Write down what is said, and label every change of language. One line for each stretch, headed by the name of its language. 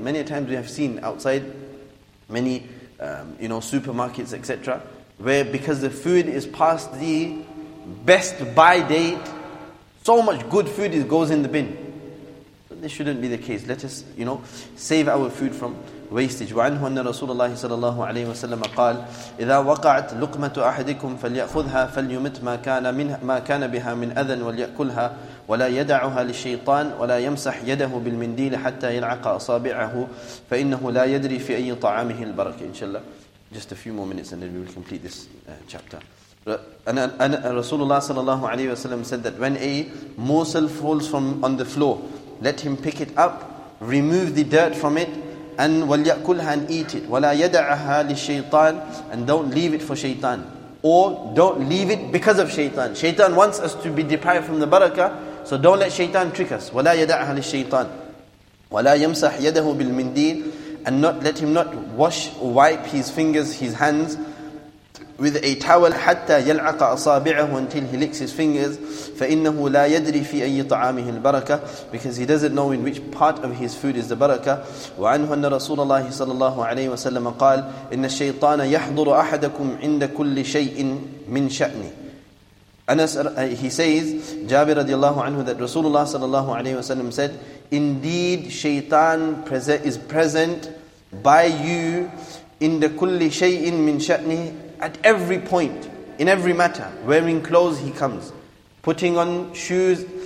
English: Many times we have seen outside many, you know, supermarkets, etc., where because the food is past the best buy date, So much good food is goes in the bin. This shouldn't be the case. Let us, you know, save our food from wastage.
Arabic: وعنه أن رسول الله صلى الله عليه وسلم قال إذا وقعت لقمة أحدكم فليأخذها فليمت ما كان منها ما كان بها من أذى وليأكلها ولا يدعها للشيطان ولا يمسح يده بالمنديل حتى يلعق أصابعه فإنه لا يدري في أي طعامه البركة. إن شاء الله.
English: Just a few more minutes and then we will complete this chapter. Rasulullah sallallahu alayhi wa sallam said that when a morsel falls from on the floor, let him pick it up, remove the dirt from it, and
Arabic: وَلْيَأْكُلْهَا
English: and eat it.
Arabic: وَلَا يَدَعَهَا لِلشَّيْطَانِ
English: and don't leave it for shaitan. Or don't leave it because of shaitan. Shaitan wants us to be deprived from the barakah, so don't let shaitan trick us.
Arabic: وَلَا يَدَعَهَا لِلشَّيْطَانِ وَلَا يَمْسَحْ يَدَهُ بِالْمِنْدِينِ
English: and not let him not wash or wipe his fingers, his hands, with a towel,
Arabic: حتى يلعق أصابعه
English: until he licks his fingers,
Arabic: فإنه لا يدري في أي طعامه البركة,
English: because he doesn't know in which part of his food is the barakah.
Arabic: وعنه أن رسول الله صلى الله عليه وسلم قال إن الشيطان يحضر أحدكم عند كل شيء من شأنه.
English: Anas, he says, Jabir radiallahu anhu, that Rasulullah sallallahu alayhi wa sallam said, indeed, shaitan is present by you in the
Arabic: kulli shay'in min sha'ni,
English: at every point, in every matter. Wearing clothes, he comes. Putting on shoes.